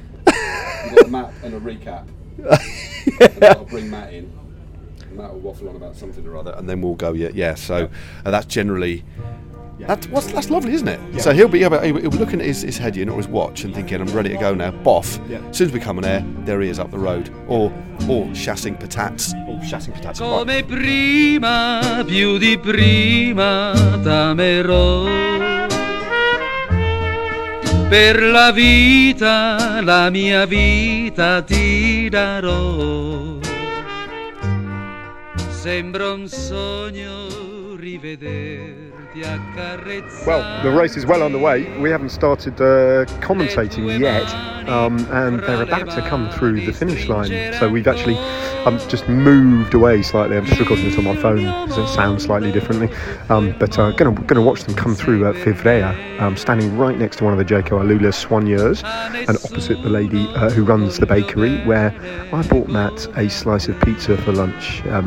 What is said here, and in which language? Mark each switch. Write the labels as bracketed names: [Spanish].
[English] You've got a map and a recap. Yeah. And I'll bring Matt in. Matt will waffle on about something or other, and then we'll go. That's generally. That's lovely, isn't it? Yeah. So he'll be looking at his head unit or his watch and thinking, I'm ready to go now. Boff. Yeah. As soon as we come on air, there he is up the road. Or chassing patats. [Italian] Come prima, più di prima, t'amerò. Per la vita, la mia vita ti darò. Sembra un sogno rivedere. [English] Well, the race is well underway. We haven't started commentating yet, and they're about to come through the finish line. So we've actually just moved away slightly. I'm just recording this on my phone because it sounds slightly differently. But going to watch them come through at Fivrea, standing right next to one of the Jaco Alula soigneurs and opposite the lady who runs the bakery where I bought Matt a slice of pizza for lunch.